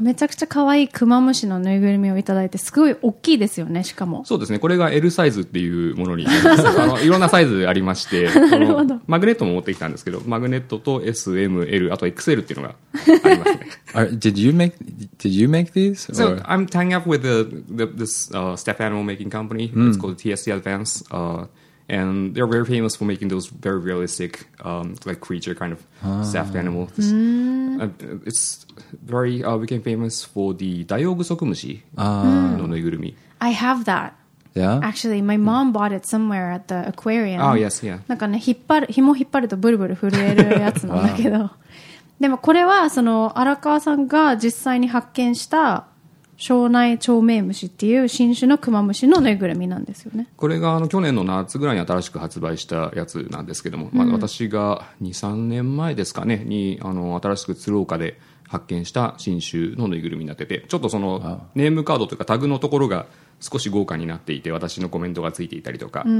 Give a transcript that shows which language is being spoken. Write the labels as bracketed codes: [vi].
[ja] めちゃくちゃ可愛いクマムシのぬいぐるみをいただいて、すごい大きいですよね。しかもそうですね、これが L サイズっていうものにいろんなサイズありましてなるほど。マグネットも持ってきたんですけど、マグネットと SML あと XL っていうのがありますね。 [en] Did you make these? So I'm tying up with this step animal making company. It's called TSC Advance. And they're very famous for making those very realistic, like creature kind of staffed animals. It's very, became famous for the [ja] Daiyogusokumushi no nuigurumi. [en] I have that. Yeah? Actually, my mom bought it somewhere at the aquarium. Oh, yes, yeah. [ja] なんかね、紐引っ張るとブルブル震えるやつなんだけど。でもこれはその荒川さんが実際に発見した庄内長命虫っていう新種のクマムシのぬいぐるみなんですよね。これが去年の夏ぐらいに新しく発売したやつなんですけども、私が 2,3 年前ですかねに新しく鶴岡で発見した新種のぬいぐるみになってて、ちょっとそのネームカードというかタグのところが少し豪華になっていて、私のコメントがついていたりとか、